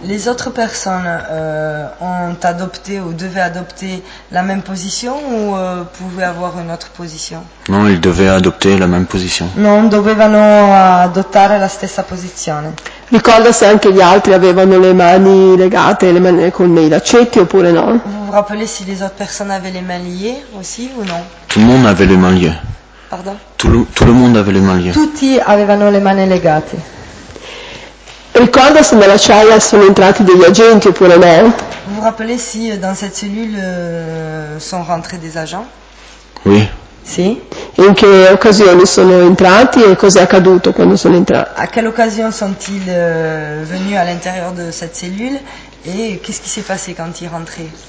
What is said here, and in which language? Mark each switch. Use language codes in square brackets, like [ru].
[fr] Les autres personnes ont adopté ou devaient adopter la même position ou pouvaient avoir une autre position? Non, ils devaient adopter la même position. [it] Non, dovevano adottare la stessa posizione. Ricorda se anche gli altri avevano le mani legate, le mani con i laccetti oppure no? [fr] Vous vous rappelez si les autres personnes avaient les mains liées aussi ou non? Tout le monde avait les mains liées. Pardon? Tout le monde avait les mains liées. [it] Tutti avevano le mani legate. Ricorda se nella cella sono entrati degli agenti oppure no? [fr] Vous vous rappelez si dans cette cellule sont rentrés des agents? Oui. [it] Si. In che occasione sono entrati e cos'è accaduto quando sono entrati? [fr] A quelle occasion sont-ils venus à l'intérieur de cette cellule? Et qu'est-ce qui s'est passé quand il rentrait?